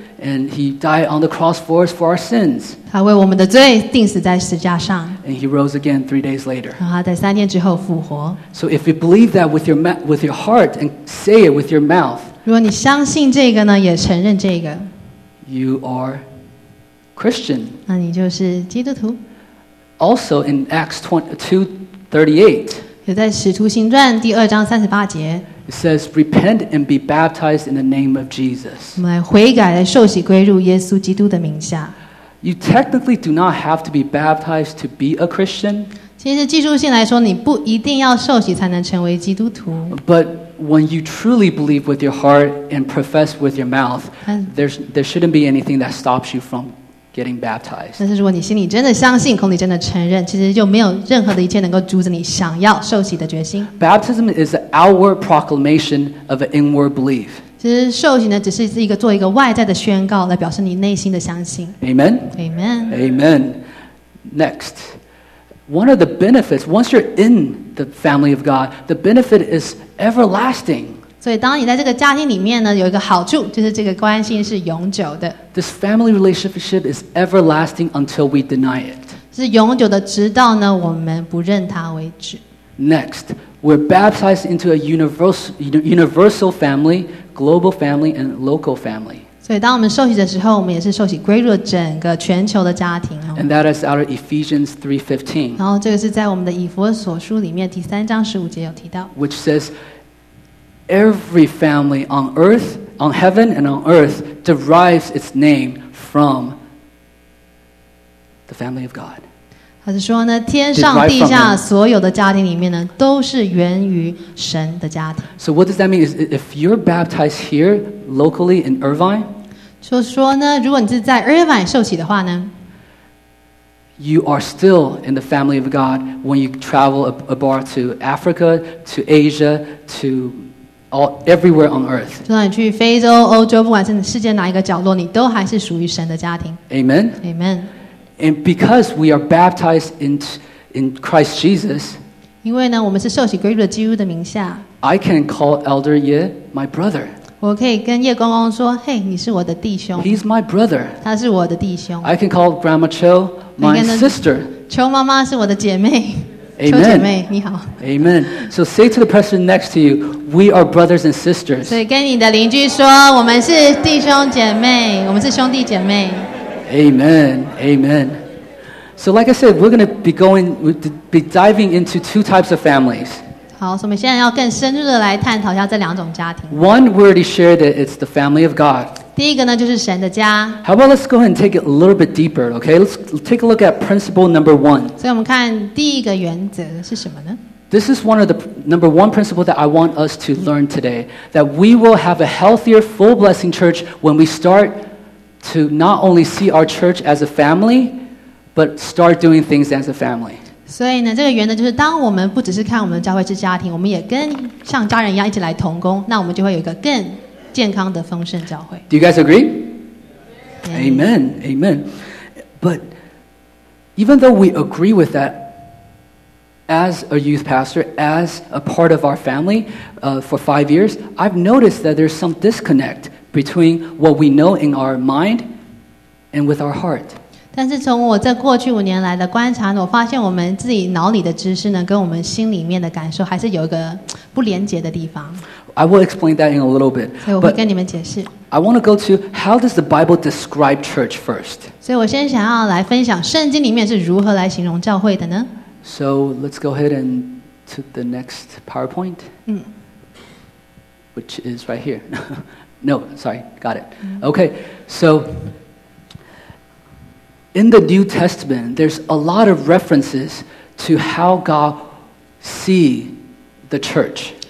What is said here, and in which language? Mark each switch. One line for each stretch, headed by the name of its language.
English: And He died on the cross for us for our sins.
Chinese: 他为我们的罪钉死在十字架上。
English: And He rose again 3 days later.
Chinese: 然后他在三天之后复活。
English: So if you believe that with your heart and say it with your mouth,
Chinese: 如果你相信这个呢，也承认这个，
English: you are Christian.
Chinese: 那你就是基督徒。
English: Also in Acts 2:38,
Chinese: 也在《使徒行传》第二章三十八节。
English: It says, "Repent and be baptized in the name of Jesus."
Chinese: 我们来悔改，来受洗，归入耶稣基督的名下。
English: You technically do not have to be baptized to be a Christian.
Chinese: 其实技术性来说，你不一定要受洗才能成为基督徒。
English: But when you truly believe with your heart and profess with your mouth, there shouldn't be anything that stops you from getting baptized.
Chinese: 但是如果你心里真的相信，口里真的承认，其实就没有任何的一切能够阻止你想要受洗的决心。
English: Baptism is an outward proclamation of an inward belief.
Chinese: 其实受洗呢，只是一个做一个外在的宣告，来表示你内心的相信。
English: Amen. Amen. Amen. Next, one of the benefits, once you're in the family of God, the benefit is everlasting.
Chinese: 所以当你在这个家庭里面呢，有一个好处，就是这个关系是永久的。
English: This family relationship is everlasting until we deny it.
Chinese: 是永久的，直到呢我们不认它为止。
English: Next, we're baptized into a universal family, global family, and local family.
Chinese: 所以当我们受洗的时候，我们也是受洗归入整个全球的家庭。
English: And that is out of Ephesians 3:15.
Chinese: 然后这个是在我们的以弗所书里面第三章十五节有提到。
English: Which says,Every family on earth, on heaven, and on earth derives its name from the family of God.
Chinese: 他是说呢，天上地下所有的家庭里面呢，都是源于神的家庭。
English: So what does that mean? Is if you're baptized here locally in Irvine?
Chinese: 就说呢，如果你是在 Irvine 受洗的话呢？
English: You are still in the family of God when you travel abroad to Africa, to Asia, to everywhere on earth.
Chinese: 就算你去非洲、欧洲，不管是世界哪一个角落，你都还是属于神的家庭。
English: Amen. Amen. And because we are baptized in Christ Jesus,
Chinese: 因为呢，我们是受洗归入了基督的名下。
English: I can call Elder Ye my brother.
Chinese: 我可以跟叶公公说，嘿，你是我的弟兄。
English: He's my brother.
Chinese: 他是我的弟兄。
English: I can call Grandma Cho my sister.
Chinese: 秋妈妈是我的姐妹。
English: Amen.
Chinese: 秋姐妹，你好。
English: Amen. So say to the person next to you, we are brothers and sisters.
Chinese: 所以跟你的邻居说，我们是弟兄姐妹，我们是兄弟姐妹。
English: Amen. Amen. So like I said, we're going to be diving into two types of families.
Chinese: 好，所以我们现在要更深入的来探讨一下这两种家庭。
English: One, we already shared that it's the family of God.
Chinese: 第一个呢，就是神的家。
English: How about let's go ahead and take it a little bit deeper, okay? Let's take a look at principle number one.
Chinese: 所以我们看第一个原则是什么呢？
English: This is one of the number one principle that I want us to learn today, that we will have a healthier, full blessing church when we start to not only see our church as a family, but start doing things as a family.
Chinese: 所以呢，这个原则就是，当我们不只是看我们的教会是家庭，我们也跟像家人一样一起来同工，那我们就会有一个更健康的丰盛教会。
English: Do you guys agree? Amen, amen. But even though we agree with that, as a youth pastor, as a part of our family, for 5 years, I've noticed that there's some disconnect between what we know in our mind and with our heart.
Chinese: 但是从我这过去五年来的观察呢，我发现我们自己脑里的知识呢，跟我们心里面的感受还是有一个不连结的地方。
English: I will explain that in a little bit.
Chinese: 所以我会跟你们解释。
English: I want to go to how does the Bible describe church first?
Chinese: 所以我先想要来分享圣经里面是如何来形容教会的呢？
English: So let's go ahead and to the next PowerPoint. Which is right here. No, sorry, got it. Okay, so in the New Testament, there's a lot of references to how God sees the church.